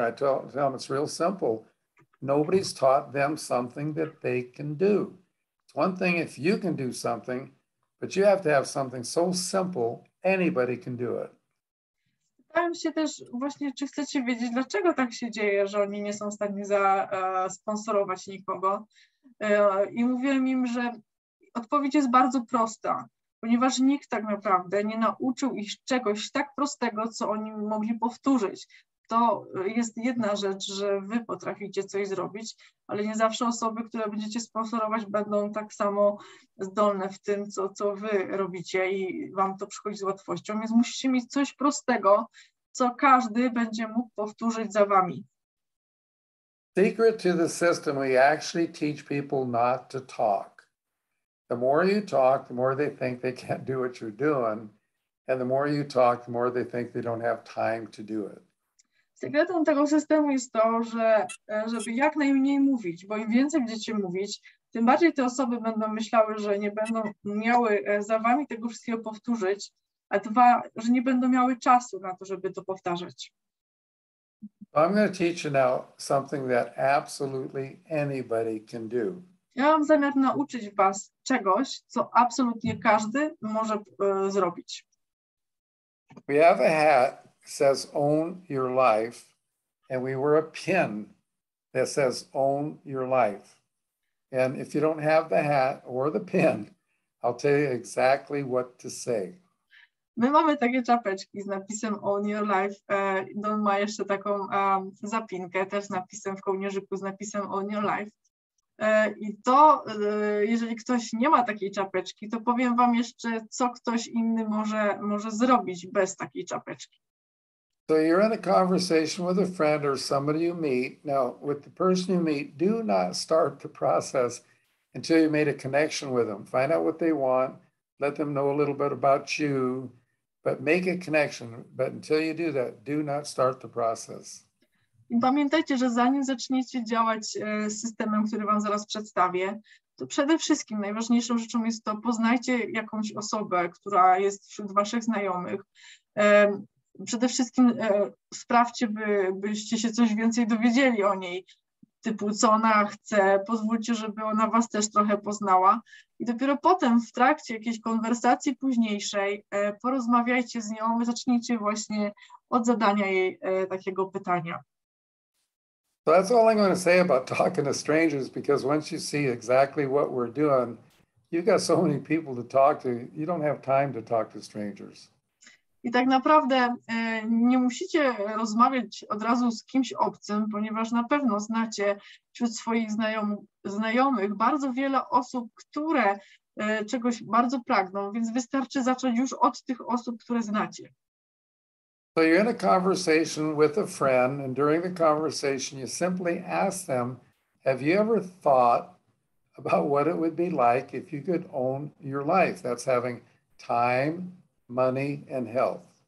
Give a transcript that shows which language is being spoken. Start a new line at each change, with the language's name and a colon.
English: I tell them it's real simple. Nobody's taught them something that they can do. It's one thing if you can do something, but you have to have something so simple, anybody can do it.
Polish: Pytałem się też właśnie, czy chcecie wiedzieć, dlaczego tak się dzieje, że oni nie są w stanie zasponsorować nikogo. I mówiłem im, że odpowiedź jest bardzo prosta, ponieważ nikt tak naprawdę nie nauczył ich czegoś tak prostego, co oni mogli powtórzyć. To jest jedna rzecz, że wy potraficie coś zrobić, ale nie zawsze osoby, które będziecie sponsorować, będą tak samo zdolne w tym, co wy robicie i wam to przychodzi z łatwością, więc musicie mieć coś prostego, co każdy będzie mógł powtórzyć za wami.
English: Secret to the system, we actually teach people not to talk. The more you talk, the more they think they can't do what you're doing, and the more you talk, the more they think they don't have time to do it.
Polish: Sekretem tego systemu jest to, że żeby jak najmniej mówić, bo im więcej będziecie mówić, tym bardziej te osoby będą myślały, że nie będą miały za wami tego wszystkiego powtórzyć, a dwa, że nie będą miały czasu na to, żeby to powtarzać.
English: I'm going to teach you now something that absolutely anybody can do.
Polish: Ja mam zamiar nauczyć was czegoś, co absolutnie każdy może zrobić.
English: We have a hat. Says own your life, and we wear a pin that says own your life. And if you don't have the hat or the pin, I'll tell you exactly what to say.
Polish: My mamy takie czapeczki z napisem
English: own your life.
Polish: Don ma jeszcze taką zapinkę też napisem w kołnierzyku z napisem
English: own your life.
Polish: I to, jeżeli ktoś nie ma takiej czapeczki, to powiem wam jeszcze, co ktoś inny może zrobić bez takiej czapeczki.
English: So you're in a conversation with a friend or somebody you meet. Now, with the person you meet, do not start the process until you made a connection with them. Find out what they want. Let them know a little bit about you, but make a connection. But until you do that, do not start the process.
Polish: I pamiętajcie, że zanim zaczniecie działać z systemem, który wam zaraz przedstawię, to przede wszystkim najważniejszą rzeczą jest to, poznajcie jakąś osobę, która jest wśród waszych znajomych. Przede wszystkim sprawdźcie, byście się coś więcej dowiedzieli o niej, typu co ona chce, pozwólcie, żeby ona was też trochę poznała. I dopiero potem w trakcie jakiejś konwersacji późniejszej porozmawiajcie z nią, zacznijcie właśnie od zadania jej takiego pytania.
English: So that's all I'm going to say about talking to strangers, because once you see exactly what we're doing, you've got so many people to talk to, you don't have time to talk to strangers.
Polish: I tak naprawdę nie musicie rozmawiać od razu z kimś obcym, ponieważ na pewno znacie wśród swoich znajomych bardzo wiele osób, które czegoś bardzo pragną, więc wystarczy zacząć już od tych osób, które znacie.
English: So you're in a conversation with a friend, and during the conversation, you simply ask them, have you ever thought about what it would be like if you could own your life? That's having time, money, and health.